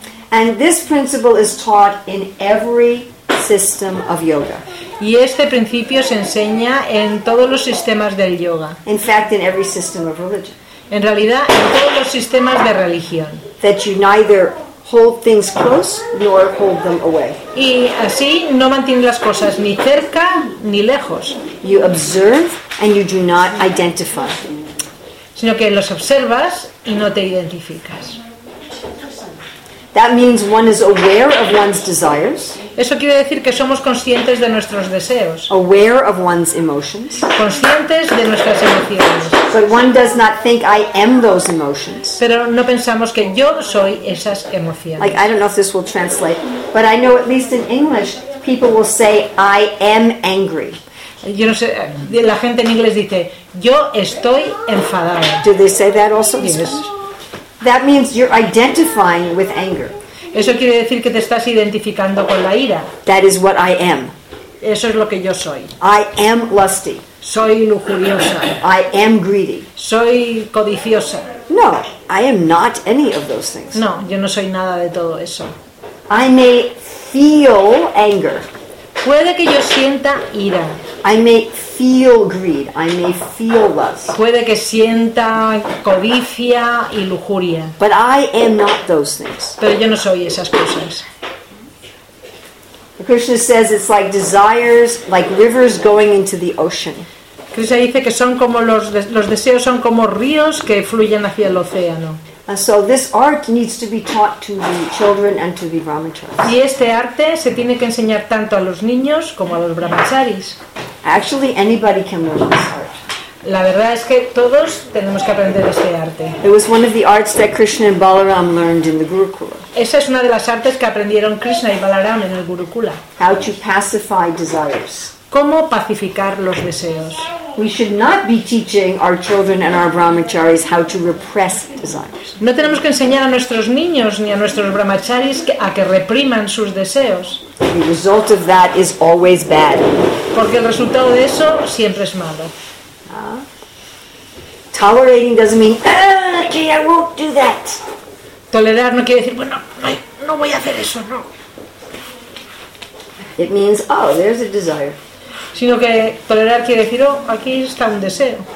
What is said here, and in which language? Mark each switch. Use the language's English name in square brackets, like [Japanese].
[English] And this principle is taught in every system of yoga. [Spanish] Y este principio se enseña en todos los sistemas del yoga. [English] In fact, in every system of religion. [Spanish] En realidad, en todos los sistemas de religión. [English] That you neither hold things close nor hold them away. [Spanish] Y así no mantienes las cosas ni cerca ni lejos. [English] You observe and you do not identify. [Spanish] Sino que los observas y no te identificas. [English] That means one is aware of one's desires. [Spanish] Eso quiere decir que somos conscientes de nuestros deseos. [English] Aware of one's emotions. [Spanish] Conscientes de nuestras emociones. [English] But one does not think I am those emotions. [Spanish] Pero no pensamos que yo soy esas emociones. [English] Like, I don't know if this will translate, but I know at least in English people will say I am angry. [Spanish] Yo no sé, la gente en inglés dice yo estoy enfadada. [English] Do they say that also? Yes. That means you're identifying with anger. [Spanish] Eso quiere decir que te estás identificando con la ira. [English] That is what I am. [Spanish] Eso es lo que yo soy. [English] I am lusty. [Spanish] Soy lujuriosa. [English] I am greedy. [Spanish] Soy codiciosa. [English] No, I am not any of those things. [Spanish] No, yo no soy nada de todo eso. [English] I may feel anger. [Spanish] Puede que yo sienta ira. [English] I may feel greed. I may feel lust. [Spanish] Puede que sienta codicia y lujuria. [English] But I am not those things. [Spanish] Pero yo no soy esas cosas. [English] Krishna says it's like desires, like rivers going into the ocean. [Spanish] Krishna dice que son como los deseos son como ríos que fluyen hacia el océano. [English] And so this art needs to be taught to the children and to the brahmacharis. [Spanish] Y este arte se tiene que enseñar tanto a los niños como a los brahmacharis. [English] Actually, anybody can learn this art. [Spanish] La verdad es que todos tenemos que aprender este arte. [English] It was one of the arts that Krishna and Balaram learned in the Gurukula. [Spanish] Esa es una de las artes que aprendieron Krishna y Balaram en el Gurukula. [English] How to pacify desires. [Spanish] ¿Cómo pacificar los deseos? [English] We should not be teaching our children and our brahmacharis how to repress desires. [Spanish] No tenemos que enseñar a nuestros niños ni a nuestros brahmacharis a que repriman sus deseos. [English] The result of that is always bad. [Spanish] Porque el resultado de eso siempre es malo. [English] Tolerating doesn't mean okay, I won't do that. [Spanish] Tolerar no quiere decir bueno, no voy a hacer eso, no. [English] It means oh, there's a desire. [Spanish] Sino que tolerar quiere decir oh, aquí está un deseo.